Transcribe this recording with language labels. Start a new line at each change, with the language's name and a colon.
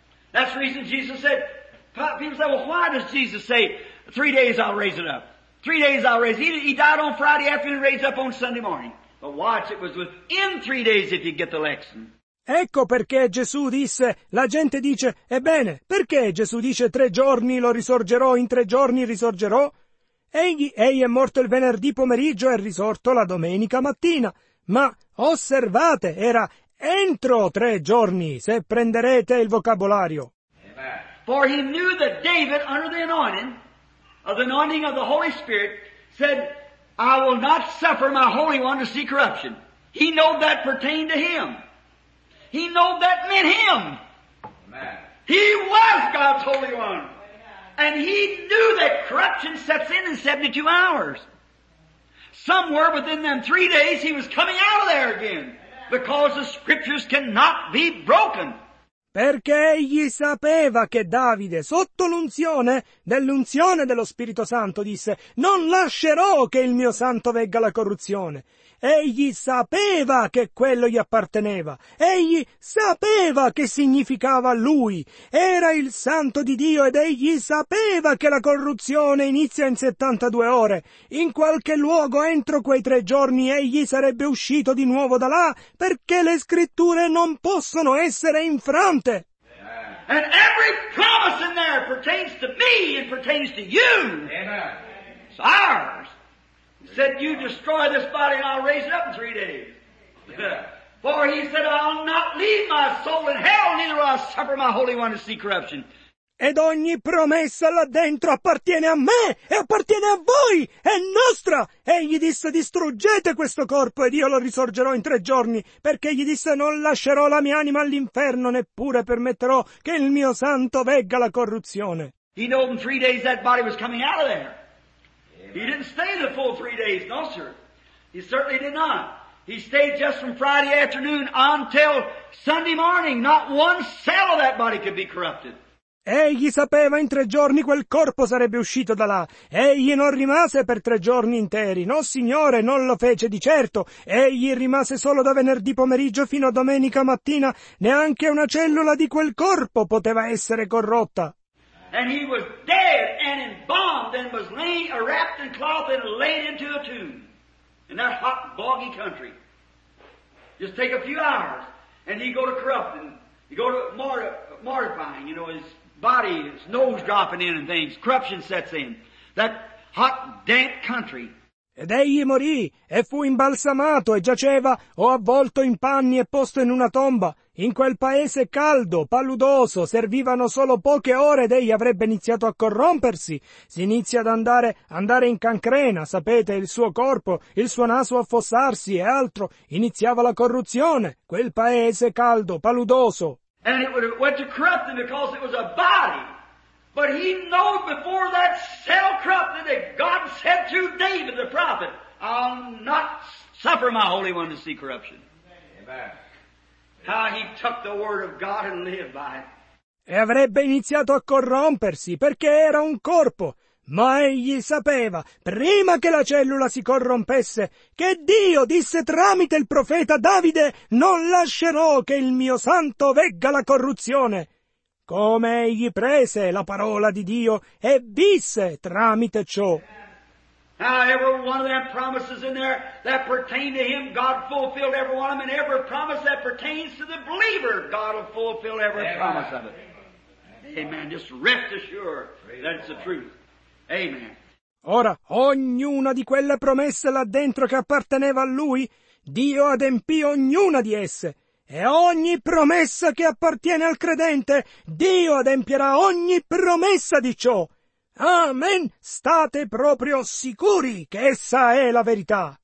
English: That's the reason Jesus said, people say, well, why does Jesus say, 3 days I'll raise it up? 3 days I'll raise it. He died on Friday afternoon, raised up on Sunday morning. But watch, it was within 3 days if you get the lesson.
Italian: Ecco perché Gesù disse, la gente dice, ebbene, perché Gesù dice 3 giorni lo risorgerò, in 3 giorni risorgerò? Egli è morto il venerdì pomeriggio e risorto la domenica mattina. Ma osservate, era entro 3 giorni, se prenderete il vocabolario.
English: For he knew that David, under the anointing, of the anointing of the Holy Spirit, said, I will not suffer my Holy One to see corruption. He knew that pertained to him. He knew that meant him. Amen. He was God's Holy One. Amen. And he knew that corruption sets in 72 hours. Somewhere within them 3 days, he was coming out of there again. Amen. Because the scriptures cannot be broken.
Italian: Perché egli sapeva che Davide, sotto l'unzione, dell'unzione dello Spirito Santo, disse, non lascerò che il mio santo vegga la corruzione. Egli sapeva che quello gli apparteneva. Egli sapeva che significava lui. Era il santo di Dio ed egli sapeva che la corruzione inizia in 72 ore. In qualche luogo entro quei 3 giorni egli sarebbe uscito di nuovo da là perché le scritture non possono essere infrante.
English: And every promise in there pertains to me and pertains to you. It's ours. Said, you destroy this body and I'll raise it up in 3 days. Yeah. For he said, I'll not leave my soul in hell, neither will I suffer my Holy One to see corruption.
Italian: Ed ogni promessa là dentro appartiene a me e appartiene a voi, è nostra. Egli disse, distruggete questo corpo ed io lo risorgerò in 3 giorni, perché gli disse, non lascerò la mia anima all'inferno, neppure permetterò che il mio santo vegga la corruzione.
English: He knew in 3 days that body was coming out of there. He didn't stay the full 3 days, no sir. He certainly did not. He stayed just from Friday afternoon until Sunday morning. Not one cell of that body could be corrupted.
Italian: Egli sapeva in 3 giorni quel corpo sarebbe uscito da là. Egli non rimase per 3 giorni interi. No, Signore, non lo fece di certo. Egli rimase solo da venerdì pomeriggio fino a domenica mattina. Neanche una cellula di quel corpo poteva essere corrotta.
English: And he was dead and embalmed and was laid, wrapped in cloth and laid into a tomb in that hot, boggy country. Just take a few hours and he'd go to corrupting, he'd go to mortifying, you know, his body, his nose dropping in and things. Corruption sets in. That hot, damp country.
Italian: Ed egli morì e fu imbalsamato e giaceva o avvolto in panni e posto in una tomba. In quel paese caldo, paludoso, servivano solo poche ore ed egli avrebbe iniziato a corrompersi. Si inizia ad andare in cancrena, sapete, il suo corpo, il suo naso affossarsi e altro. Iniziava la corruzione. Quel paese caldo, paludoso.
English: And it went to corrupting because it was a body. But he knew before that cell corrupted that God said to David the prophet, I'll not suffer my Holy One to see corruption. Amen. How he took the word of God and lived by it.
Italian: E avrebbe iniziato a corrompersi perché era un corpo. Ma egli sapeva, prima che la cellula si corrompesse, che Dio disse tramite il profeta Davide, non lascerò che il mio santo vegga la corruzione. come egli prese la parola di Dio e visse tramite ciò.
English: Now every one of them promises in there that pertain to him, God fulfilled every one of them, and every promise that pertains to the believer, God will fulfill every Amen. Promise of it. Amen. Just rest assured that it's the truth. Amen.
Italian: Ora, ognuna di quelle promesse là dentro che apparteneva a lui, Dio adempì ognuna di esse. E ogni promessa che appartiene al credente, Dio adempierà ogni promessa di ciò. Amen. State proprio sicuri che essa è la verità.